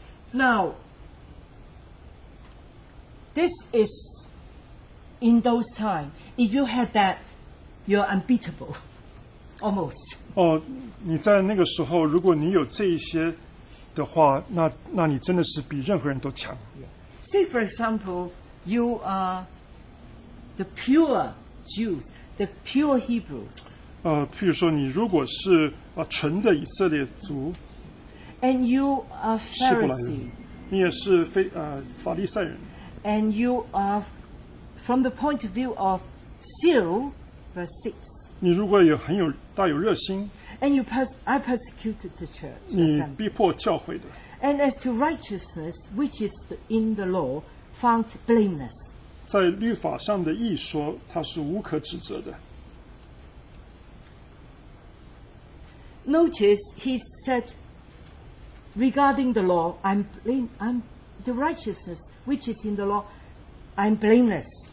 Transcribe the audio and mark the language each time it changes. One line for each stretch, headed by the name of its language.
English: Now, this is in those times. If you had that, you're unbeatable, almost.
Chinese: 你在那个时候，如果你有这一些的话，那你真的是比任何人都强。
English: Say for example, you are the pure Jews, the pure Hebrews.
Chinese: 譬如说你如果是纯的以色列族,
English: and you are Pharisee,
Chinese: 你也是非, 法利赛人,
English: and you are from the point of view of zeal, verse 6,
Chinese: 你如果有很有, 大有热心,
English: and you I persecuted the church,
Chinese: 你逼迫教会的,
English: and as to righteousness, which is in the law, found blameless.
Chinese: 在律法上的义说, 它是无可指责的。
English: Notice he said, regarding the law, I'm the righteousness which is in the law, I'm blameless.